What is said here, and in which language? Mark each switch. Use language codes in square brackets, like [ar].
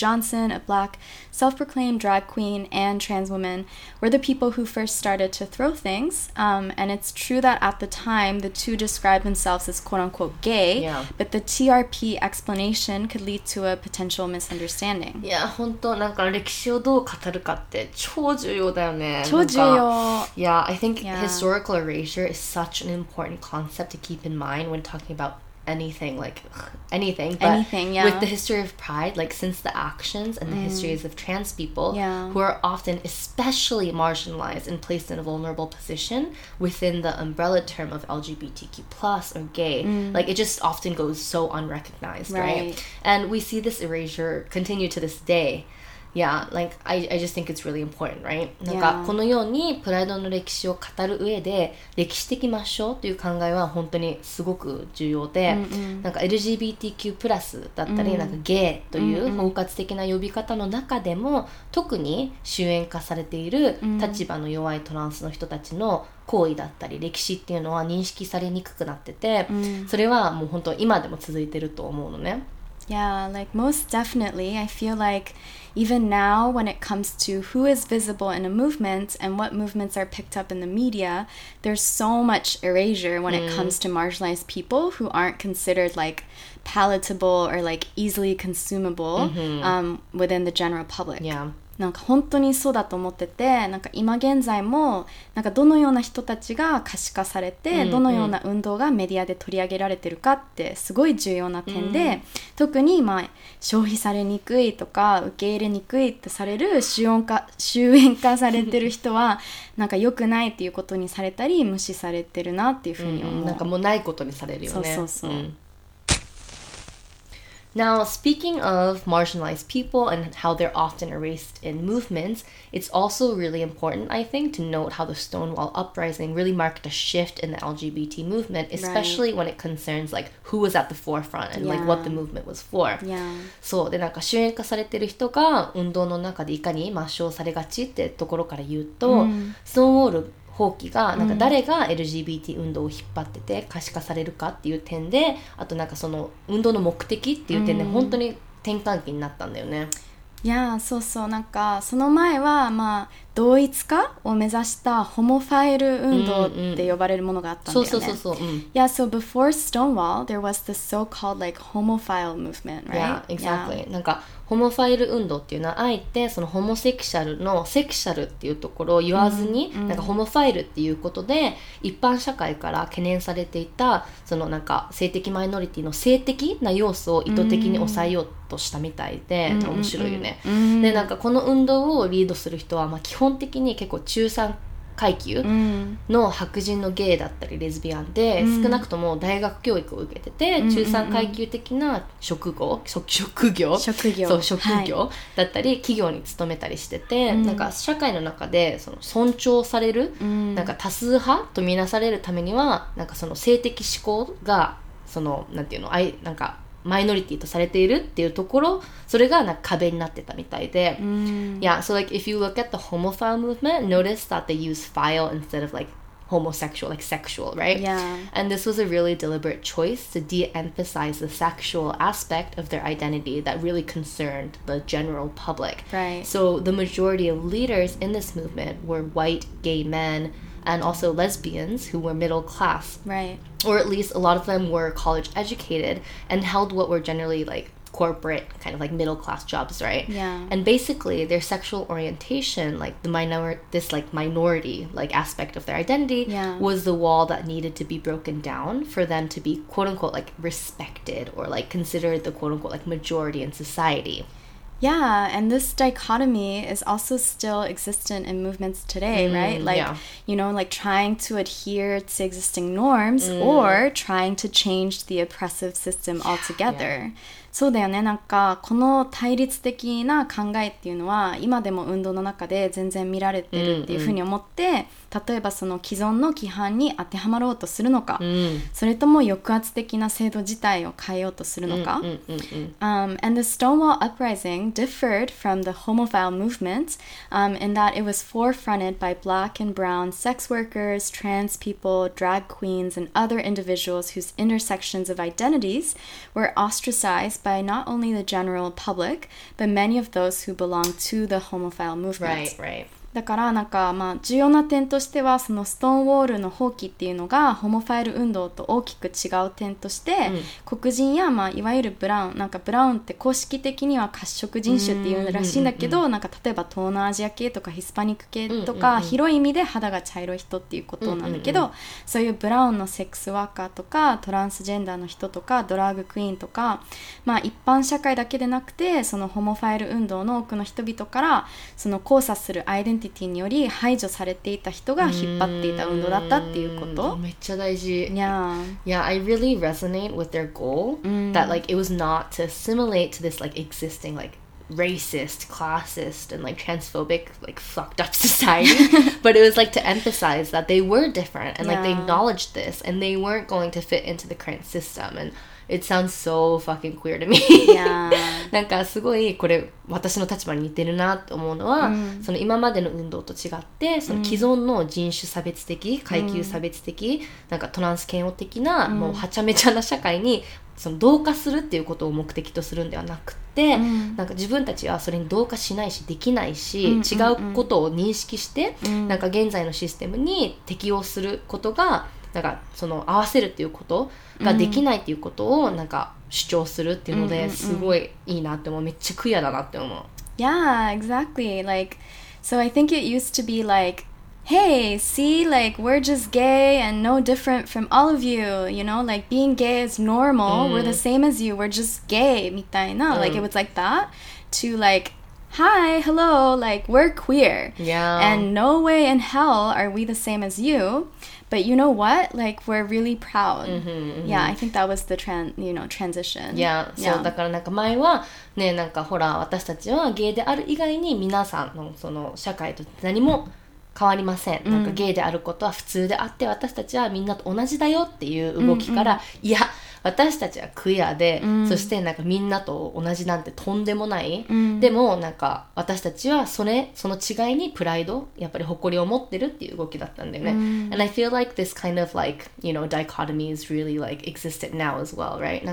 [en] Johnson, a black self-proclaimed drag queen and trans woman, were the people who first started to throw things. And it's true that at the time, the two described themselves as quote-unquote gay, yeah. but the TRP explanation could lead to a potential misunderstanding. Yeah, [ja] 本当、なんか歴史をどう語るかって超重要だよね。超重要。 [en] Yeah, I think yeah. historical erasure is such an important concept to keep in mind when talking about anything, like anything. But anything, yeah. With the history of Pride, like since the actions and the histories of trans people yeah. who are often especially marginalized and placed in a vulnerable position within the umbrella term of LGBTQ+ or gay, like it just often goes so unrecognized, right? And we see this erasure continue to this day. Yeah, like, I just think it's really important, right? [ja] なんか、このようにプライドの歴史を語る上で、歴史的抹消という考えは本当にすごく重要で、なんか LGBTQ+ だったり、なんかゲイという包括的な呼び方の中でも、特に周縁化されている立場の弱いトランスの人たちの行為だったり歴史っていうのは認識されにくくなってて、それはもう本当今でも続いてると思うのね。 [en] Yeah, like most definitely, I feel like even now when it comes to who is visible in a movement and what movements are picked up in the media, there's so much erasure when it comes to marginalized people who aren't considered like palatable or like easily consumable within the general public. Yeah. [ja] なんか本当にそうだと思ってて、なんか今現在もなんかどのような人たちが可視化されて、どのような運動がメディアで取り上げられてるかってすごい重要な点で、特にまあ消費されにくいとか受け入れにくいってされる周縁化されてる人はなんか良くないっていうことにされたり無視されてるなっていうふうに思う。なんかもうないことにされるよね。そうそうそう。 [en] Now, speaking of marginalized people and how they're often erased in movements, it's also really important, I think, to note how the Stonewall Uprising really marked a shift in the LGBT movement, especially right. when it concerns like who was at the forefront and yeah. like what the movement was for. Yeah. [ja] そうで、なんか主演化されてる人が運動の中でいかに抹消されがちってところから言うと、mm. Stonewall 放棄がなんか誰が LGBT 運動を引っ張ってて可視化されるかっていう点で、あとなんかその運動の目的っていう点で本当に転換期になったんだよね。いや、そうそう、なんかその前はまあ同一化を目指したホモファイル運動って呼ばれるものがあったんだよね。そうそうそうそう。 [en] Yeah, so before Stonewall, there was the so-called like homophile movement, right? Yeah, exactly. Yeah. [ja] なんかホモファイル運動っていうのはあえてそのホモセクシャルのセクシャルっていうところを言わずに、mm-hmm. なんかホモファイルっていうことで一般社会から懸念されていたそのなんか性的マイノリティの性的な要素を意図的に抑えようとしたみたいで、mm-hmm. 面白いよね。 Mm-hmm. で、なんかこの運動をリードする人はまあ基本的に結構中産階級の白人のゲイだったりレズビアンで、mm-hmm. 少なくとも大学教育を受けてて、mm-hmm. 中産階級的な職業、職業、そう、職業、はい、だったり企業に勤めたりしてて、mm-hmm. なんか社会の中でその尊重される、 mm-hmm. なんか多数派とみなされるためにはなんかその性的指向がそのなんていうの、なんかマイノリティとされているっていうところ、それがなんか壁になってたみたいで、 mm. [en] Yeah, so like if you look at the homophile movement, notice that they use file instead of like homosexual, like sexual, right? Yeah. And this was a really deliberate choice to de-emphasize the sexual aspect of their identity that really concerned the general public. Right. So the majority of leaders in this movement were white gay men and also lesbians who were middle class. Right. Or at least a lot of them were college educated and held what were generally like corporate kind of like middle class jobs, right? Yeah. And basically their sexual orientation, like the minority like aspect of their identity, yeah. was the wall that needed to be broken down for them to be quote unquote like respected or like considered the quote unquote like majority in society. Yeah, and this dichotomy is also still existent in movements today, mm, right? Like, yeah. you know, like trying to adhere to existing norms mm. or trying to change the oppressive system yeah, altogether. Yeah. [ja] そうだよね、なんかこの対立的な考えっていうのは今でも運動の中で全然見られてるっていうふうに思って、mm-hmm. 例えばその既存の規範に当てはまろうとするのか、 mm-hmm. それとも抑圧的な制度自体を変えようとするのか、 mm-hmm. [en] And the Stonewall Uprising differed from the homophile movement, in that it was forefronted by black and brown sex workers, trans people, drag queens, and other individuals whose intersections of identities were ostracized by not only the general public, but many of those who belong to the homophile movement. Right, right. [ja] だからなんかまあ重要な点としては、そのストーンウォールの放棄っていうのがホモファイル運動と大きく違う点として、mm. 黒人やまあいわゆるブラウン、なんかブラウンって公式的には褐色人種っていうらしいんだけど、mm. なんか例えば東南アジア系とかヒスパニック系とか、mm. 広い意味で肌が茶色い人っていうことなんだけど、mm. そういうブラウンのセックスワーカーとかトランスジェンダーの人とかドラッグクイーンとか、まあ一般社会だけでなくて、そのホモファイル運動の多くの人々からその交差するアイデンティティにより排除されていた人が引っ張っていた運動だったっていうこと。めっちゃ大事。 [en] Yeah. Yeah, I really resonate with their goal that like it was not to assimilate to this like existing like racist, classist, and like transphobic like fucked up society, but it was like to emphasize that they were different and like they acknowledged this and they weren't going to fit into the current system andIt sounds so fucking queer to me. Yeah. [ja] なんかすごいこれ私の立場に似てるなって思うのは、mm. その今までの運動と違って、その既存の人種差別的、階級差別的、なんかトランス嫌悪的な、mm. もうはちゃめちゃな社会にその同化するっていうことを目的とするんではなくて、mm. なんか自分たちはそれに同化しないし、できないし、mm. 違うことを認識して、mm. なんか現在のシステムに適応することが、なんかその合わせるっていうことができないっていうことをなんか主張するっていうのですごいいいなって思う。めっちゃクイアだなって思う。 [en] Yeah, exactly. Like, so I think it used to be like, hey, see, like, we're just gay and no different from all of you, you know, like being gay is normal, we're the same as you, we're just gay, [ja] みたいな、 [en] like it was like that, to likeHi, hello, like, we're queer. Yeah. And no way in hell are we the same as you. But you know what? Like, we're really proud. Yeah, I think that was the transition. Yeah, yeah. [ja] そう、だからなんか前はね、なんかほら、私たちはゲイである以外に皆さんのその社会と何も変わりません。なんかゲイであることは普通であって、私たちはみんなと同じだよっていう動きから、いや、私たちはクエアで、そしてなんかみんなと同じなんてとんでもない。でもなんか私たちはその違いにプライド、やっぱり誇りを持ってるっていう動きだったんだよね。 [en] And I feel like this kind of like, you know, dichotomy is really like existent now as well, right?